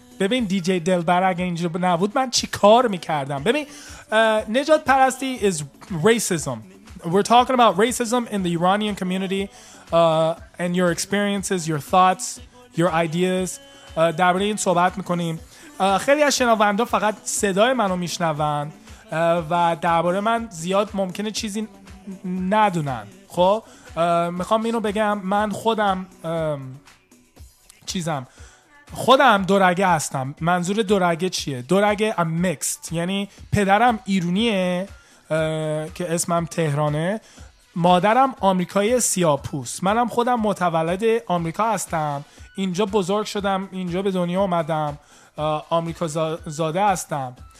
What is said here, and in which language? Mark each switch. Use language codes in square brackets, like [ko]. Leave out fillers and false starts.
[fa] ببین دی جی دلبر اگه اینجا نبود من چی کار میکردم؟ ببین نجات پرستی [en] is racism. We're talking about racism in the Iranian community and your experiences, your thoughts, your ideas. [fa] درباره این صحبت میکنیم. خیلی از شنوندا فقط صدای منو میشنون و درباره من زیاد ممکنه چیزی ندونن. خب میخوام اینو بگم، من خودم چیزم خودم دورگه هستم. منظور دورگه چیه؟ دورگه ام میکست، یعنی پدرم ایرونیه که اسمم تهرانه، مادرم آمریکایی سیاپوس، منم خودم متولد آمریکا هستم، اینجا بزرگ شدم، اینجا به دنیا اومدم، آمریکا زاده هستم،